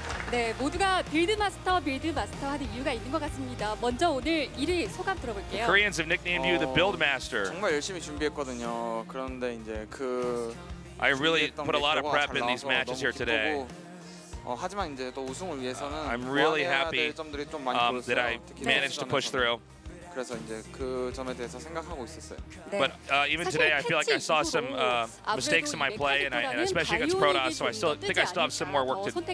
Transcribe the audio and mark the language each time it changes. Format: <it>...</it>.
<ko>네, 모두가 빌드마스터 하는 이유가 있는 것 같습니다. 먼저 오늘 1위 소감 들어볼게요.</ko> <en>The Koreans have nicknamed you the Buildmaster.</en> <ko>정말 열심히 준비했거든요. 그런데 이제 그</ko> <en>I really put a lot of prep in these matches here today.</en> <ko>하지만 이제 또 우승을 위해서는</ko> <en>I'm really happy that I managed to push through.</en> <ko>그래서 이제 그 점에 대해서 생각하고 있었어요.</ko> <en>But even today, I feel like I saw some mistakes in my play, and especially against Protoss, so I still think I still have some more work to do.</en>